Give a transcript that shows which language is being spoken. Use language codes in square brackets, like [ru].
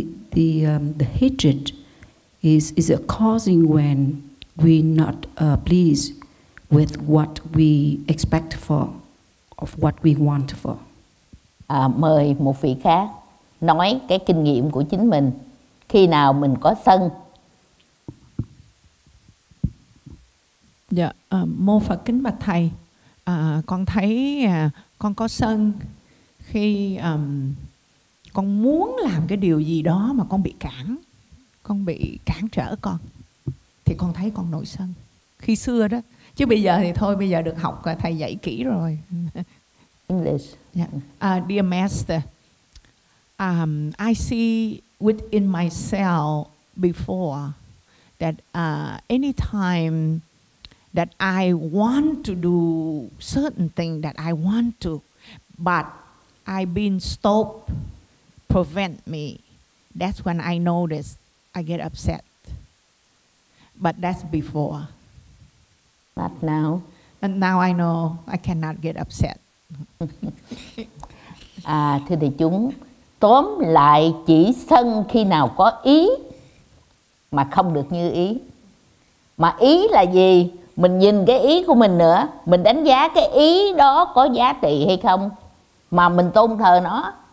[en] The hatred is a causing when we not pleased with what we expect for, of what we want for. [vi] Mời một vị khác nói cái kinh nghiệm của chính mình khi nào mình có sân. Dạ, mô Phật kính bạch thầy, con thấy con có sân khi con muốn làm cái điều gì đó mà con bị cản trở con, thì con thấy con nổi sân khi xưa đó, chứ bây giờ thì thôi, bây giờ được học thầy dạy kỹ rồi. [en] English. Yeah. Dear Master, I see within myself before that any time that I want to do certain thing that I want to, but I've been stopped, prevent me. That's when I notice I get upset. But that's before. But now? And now I know I cannot get upset. [vi] Thưa đại chúng, tóm lại chỉ sân khi nào có ý mà không được như ý. Mà ý là gì? Mình nhìn cái ý của mình nữa, mình đánh giá cái ý đó có giá trị hay không, mà mình tôn thờ nó.